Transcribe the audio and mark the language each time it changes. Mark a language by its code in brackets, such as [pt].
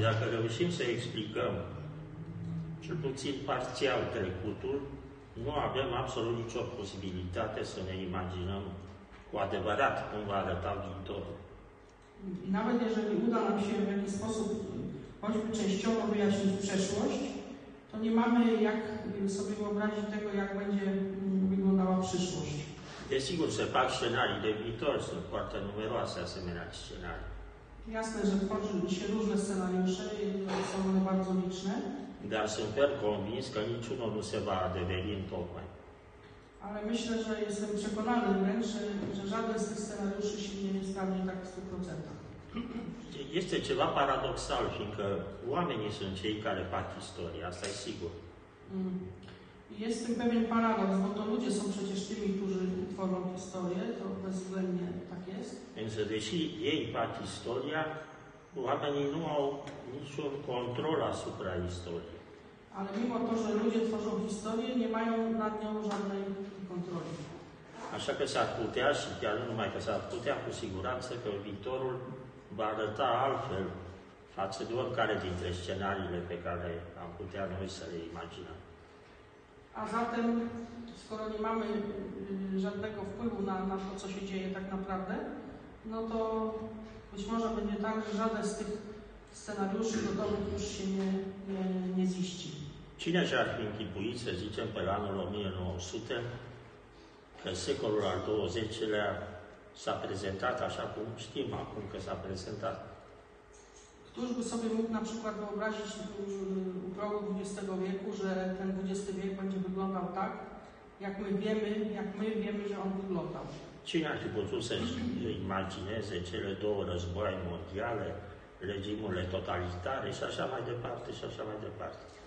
[ro] Dacă reușim să explicăm cel puțin parțial trecutul, nu avem absolut nicio posibilitate să ne imaginăm cu adevărat cum va arăta viitorul. [pl] Nawet jeżeli uda nam się w jakiś sposób, choćby częściowo, wyjaśnić przeszłość, to nie mamy jak sobie wyobrazić tego, jak będzie wyglądała przyszłość. [ro] Desigur, se fac scenarii de viitor, sunt foarte numeroase asemenea scenarii. [pl] Jasne, że tworzy się różne scenariusze, są one bardzo liczne. [ro] Dar sunt fel convins că niciunul nu se va adeveri în tocmai. [pl] Ale myślę, że jestem przekonany wręcz, że żaden z tych scenariuszy się nie stanie tak w 100%. [ro] Este ceva paradoxal, fiindcă oamenii sunt cei care fac istoria, asta e sigur. [pl] Jest w tym pewien paradoks, bo to ludzie są przecież tymi, którzy tworzą historię, to bezwzględnie tak jest. [ro] Więc deși ei fac istoria, oamenii nu au niciun control asupra istoriei. [pl] Ale mimo to, że ludzie tworzą historię, nie mają nad nią żadnej kontroli. [ro] Așa că s-ar putea, și chiar nu numai că s-ar putea, cu siguranță că viitorul va arăta altfel față de oricare dintre scenariile pe care am putea noi să le imaginăm. [pl] A zatem, skoro nie mamy żadnego wpływu na to, co się dzieje tak naprawdę, no to być może będzie tak, że żaden z tych scenariuszy gotowych już się nie ziści. [ro] Cine și-ar fi închipuit, să zicem, pe anul 1900, că secolul al XX-lea s-a prezentat așa cum știm acum că s-a prezentat? [pl] Któż by sobie mógł na przykład wyobrazić u progu XX wieku, że ten XX wiek będzie wyglądał tak, jak my wiemy, że on wyglądał? [ro] Cine ar fi putut să imagineze cele două războaie mondiale, regimurile totalitare și așa mai departe?